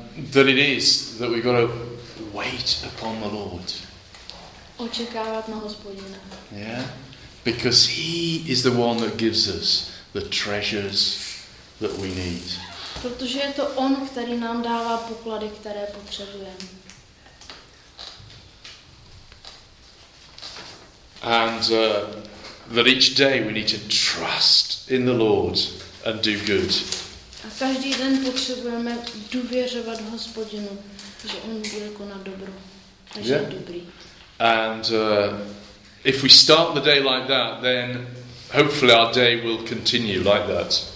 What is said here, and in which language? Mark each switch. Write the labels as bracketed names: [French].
[English] That it is that we've got to wait upon the Lord. [Czech] Očekávat na Hospodina. [English] Yeah, because he is the one that gives us the treasures that we need. [Czech] Protože je to on, který nám dává poklady, které potřebujeme. [English] And that each day we need to trust in the Lord and do good. [Czech] A každý den potřebujeme důvěřovat Hospodinu, že on bude konat dobro, že je dobrý. [English] And if we start the day like that, then hopefully our day will continue like that.